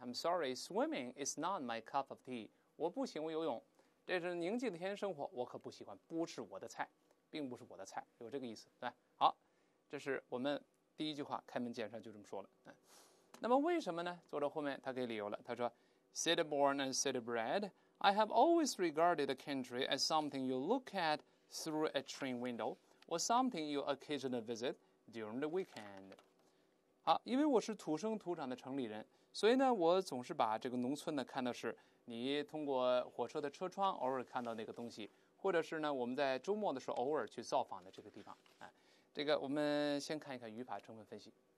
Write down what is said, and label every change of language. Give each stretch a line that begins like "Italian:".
English: I'm sorry, swimming is not my cup of tea。
Chinese: 我不喜欢游泳，这是宁静的田园生活，我可不喜欢，不是我的菜。并不是我的菜，有这个意思，对吧？好，这是我们第一句话开门见山就这么说了。那么为什么呢？作者后面他给理由了，他说
English: City born and city bred, I have always regarded the country as something you look at through a train window or something you occasionally visit during the weekend.
Chinese: 好，因为我是土生土长的城里人，所以呢，我总是把这个农村呢看到是你通过火车的车窗偶尔看到那个东西，或者是呢，我们在周末的时候偶尔去造访的这个地方，啊，这个我们先看一看语法成分分析。